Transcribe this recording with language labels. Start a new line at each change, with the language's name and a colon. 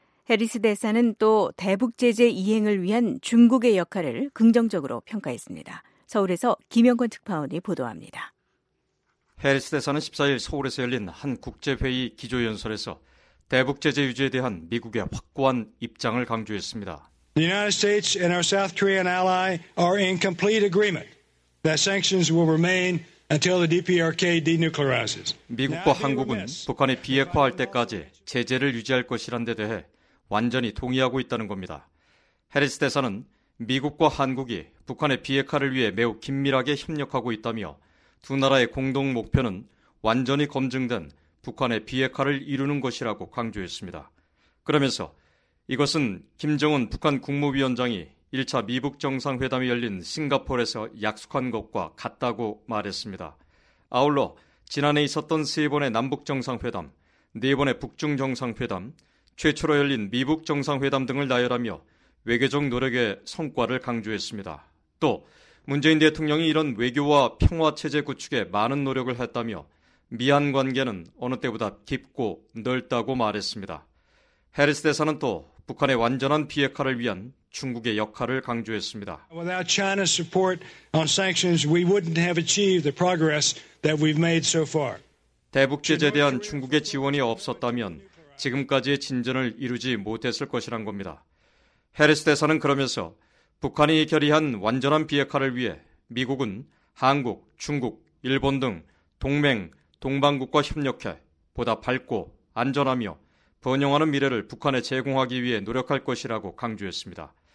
Korean: 해리스 대사는 또 대북 제재 이행을 위한 중국의 역할을 긍정적으로 평가했습니다. 서울에서 김영권 특파원이 보도합니다. 해리스 대사는 14일 서울에서 열린 한 국제회의 기조연설에서 대북 제재 유지에 대한 미국의 확고한 입장을 강조했습니다.
English: The United States and our South Korean ally are in complete agreement. That sanctions will remain until the DPRK denuclearizes.
Korean: 미국과 한국은 북한이 비핵화할 때까지 제재를 유지할 것이란 데 대해 완전히 동의하고 있다는 겁니다. 해리스 대사는 미국과 한국이 북한의 비핵화를 위해 매우 긴밀하게 협력하고 있다며 두 나라의 공동 목표는 완전히 검증된 북한의 비핵화를 이루는 것이라고 강조했습니다. 그러면서 이것은 김정은 북한 국무위원장이 1차 미북 정상회담이 열린 싱가포르에서 약속한 것과 같다고 말했습니다. 아울러 지난해 있었던 세 번의 남북 정상회담, 네 번의 북중 정상회담, 최초로 열린 미북 정상회담 등을 나열하며 외교적 노력의 성과를 강조했습니다. 또 문재인 대통령이 이런 외교와 평화체제 구축에 많은 노력을 했다며 미한 관계는 어느 때보다 깊고 넓다고 말했습니다. 해리스 대사는 또 북한의 완전한 비핵화를 위한 중국의 역할을 강조했습니다.
English: Without China's support on sanctions, we wouldn't have achieved the progress that we've made so far.
Korean: 대북 제재에 대한 중국의 지원이 없었다면 지금까지의 진전을 이루지 못했을 것이란 겁니다. 해리스 대사는 그러면서 북한이 결의한 완전한 비핵화를 위해 미국은 한국, 중국, 일본 등 동맹, 동방국과 협력해 보다 밝고 안전하며 번영하는 미래를 북한에 제공하기 위해 노력할 것이라고 강조했습니다.